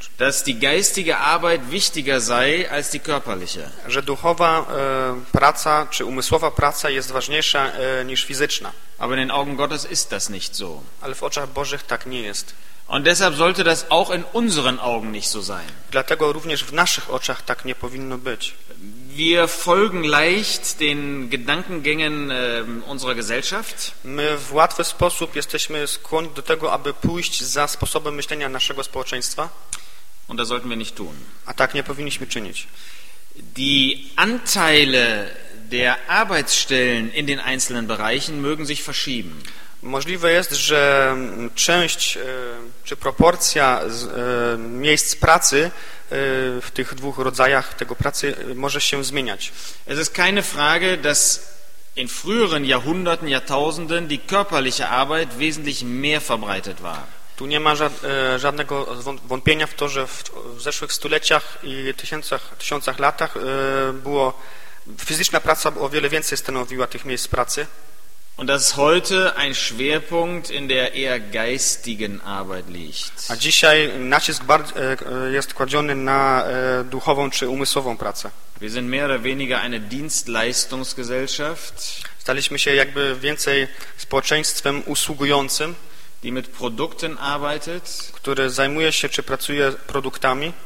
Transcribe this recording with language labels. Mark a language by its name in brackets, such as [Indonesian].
[German] dass die geistige Arbeit wichtiger sei als die körperliche. [Polish] Że duchowa praca czy umysłowa praca jest ważniejsza niż fizyczna. [German] Aber in den Augen Gottes ist das nicht so. [Polish] Ale w oczach Bożych tak nie jest. [German] Und deshalb sollte das auch in unseren Augen nicht so sein. [Polish] Dlatego również w naszych oczach tak nie powinno być. [German] Wir folgen leicht den Gedankengängen unserer Gesellschaft. [Polish] My w łatwy sposób jesteśmy skłonni do tego, aby pójść za sposobem myślenia naszego społeczeństwa. [German] Und das sollten wir nicht tun. [Polish] A tak nie powinniśmy czynić. [German] Die Anteile der Arbeitsstellen in den einzelnen Bereichen mögen sich verschieben. [Polish] Możliwe jest, że część czy proporcja miejsc pracy w tych dwóch rodzajach tego pracy może się zmieniać. [German] Es ist keine Frage, dass in früheren Jahrhunderten, Jahrtausenden die körperliche Arbeit wesentlich mehr verbreitet war. [Polish] Tu nie ma żadnego wątpienia w to, że w zeszłych stuleciach i tysiącach latach było fizyczna praca o wiele więcej stanowiła tych miejsc pracy. [German] Und dass heute ein Schwerpunkt in der eher geistigen Arbeit liegt. [Polish] A dzisiaj nacisk jest kładziony na duchową czy umysłową pracę. [German] Wir sind mehr oder weniger eine Dienstleistungsgesellschaft. [Polish] Staliśmy się jakby więcej społeczeństwem usługującym. [German] Die mit Produkten arbeitet, [Polish] które zajmuje się czy pracuje produktami,